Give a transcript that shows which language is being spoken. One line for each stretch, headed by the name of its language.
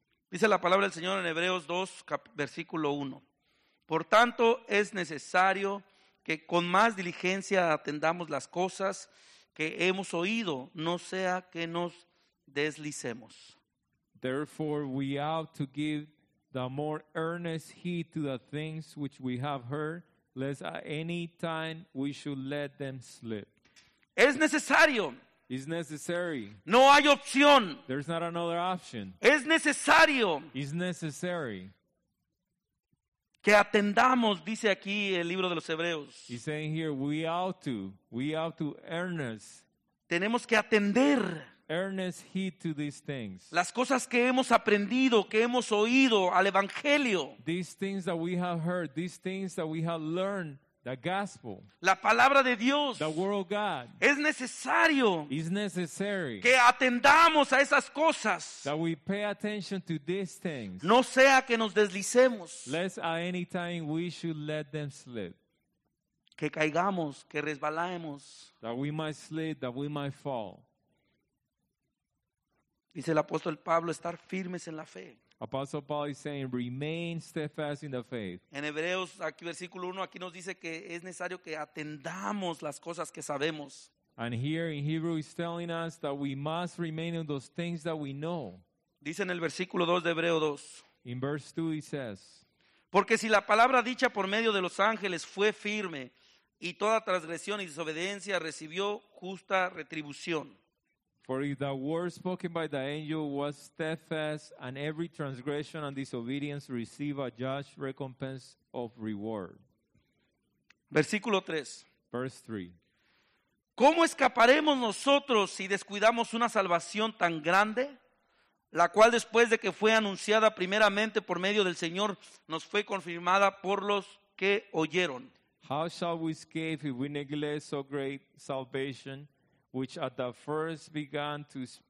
Spanish: Dice la palabra del Señor en Hebreos 2, versículo 1. Por tanto, es necesario que con más diligencia atendamos las cosas que hemos oído, no sea que nos deslicemos.
English: Therefore, we ought to give the more earnest heed to the things which we have heard, lest at any time we should let them slip.
Spanish: Es necesario.
English: It's necessary.
Spanish: No hay opción.
English: There's not another option.
Spanish: Es necesario.
English: It's necessary.
Spanish: Que atendamos, dice aquí el libro de los Hebreos.
English: He's saying here, we ought to earnest.
Spanish: Tenemos que atender.
English: Earnest heed to these things.
Spanish: Las cosas que hemos aprendido, que hemos oído al Evangelio.
English: These things that we have heard, these things that we have learned, the gospel.
Spanish: La palabra de Dios.
English: The word of God.
Spanish: Es necesario.
English: It's necessary.
Spanish: Que atendamos a esas cosas.
English: That we pay attention to these things.
Spanish: No sea que nos deslicemos.
English: Lest at any time we should let them slip.
Spanish: Que caigamos, que resbalemos.
English: That we might slip, that we might fall.
Spanish: Dice el apóstol Pablo, estar firmes en la fe.
English: Apostle Paul is saying, remain steadfast in the faith.
Spanish: En Hebreos, aquí versículo 1, aquí nos dice que es necesario que atendamos las cosas que sabemos.
English: And here in Hebrews, he's telling us that we must remain in those things that we know.
Spanish: Dice en el versículo 2 de Hebreo 2.
English: In verse 2, he says,
Spanish: porque si la palabra dicha por medio de los ángeles fue firme, y toda transgresión y desobediencia recibió justa retribución.
English: For if the word spoken by the angel was steadfast, and every transgression and disobedience receive a just recompense of reward.
Spanish: Versículo 3.
English: Verse 3.
Spanish: ¿Cómo escaparemos nosotros si descuidamos una salvación tan grande, la cual después de que fue anunciada primeramente por medio del Señor, nos fue confirmada por los que oyeron?
English: How shall we escape if we neglect so great salvation, which at the first began to